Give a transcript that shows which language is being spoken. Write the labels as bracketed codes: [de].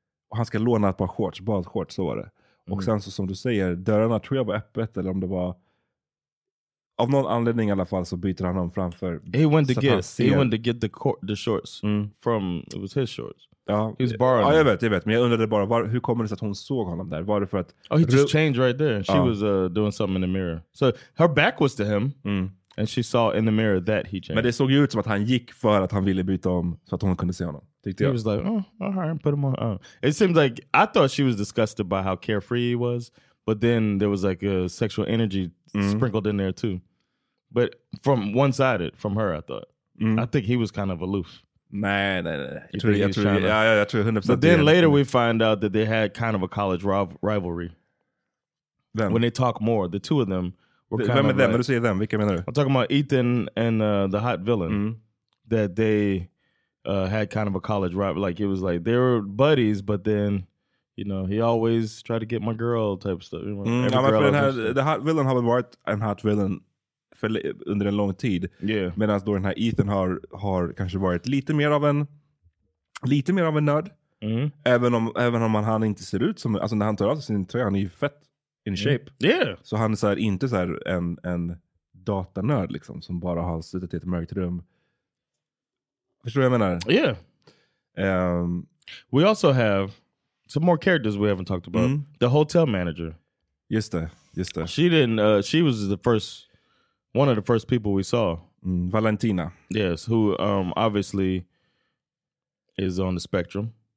[sv] Och han ska låna ett par shorts, badshorts, så var det. Och sen så, som du säger, dörrarna tror jag var öppet, eller om det var av någon anledning i alla fall, så byter han om framför. [en] He went to get the shorts from, it was his shorts. [sv] Ja, [en] he was borrowing. [sv] Ja, jag vet, men jag undrade bara, hur kommer det sig att hon såg honom där? Var det för att... [en] Oh, he just changed right there. She was doing something in the mirror. So her back was to him, and she saw in the mirror that he changed. [sv] Men det såg ju ut som att han gick för att han ville byta om så att hon kunde se honom. [en] He was like, oh, all right, put him on. It seems like, I thought she was disgusted by how carefree he was, but then there was like a sexual energy sprinkled in there too. But from one-sided, from her, I thought. I think he was kind of aloof. Nah, 100%. But then later we find out that they had kind of a college rivalry. Them. When they talk more, the two of them were kind of them. Like, let me say them. We came in there. I'm talking about Ethan and the hot villain that they had kind of a college rivalry. Like it was like they were buddies, but then. You know, he always tried to get my girl type stuff. The hot villain [sv] har varit en hot villain under en lång tid. [en] Yeah. [sv] Medan då den här Ethan har kanske varit lite mer av en nörd. Även om han inte ser ut som, alltså när han tar av sig sin tröja, han är ju fett [en] in shape. Yeah. [sv] Så han är så här, inte så här en datanörd liksom, som bara har suttit i ett mörkt rum. Förstår du vad jag menar? [en] Yeah. We also have some more characters we haven't talked about. The hotel manager. [sv] Just det. [en] She was one of the first people we saw. Valentina. Yes, who obviously is on the spectrum.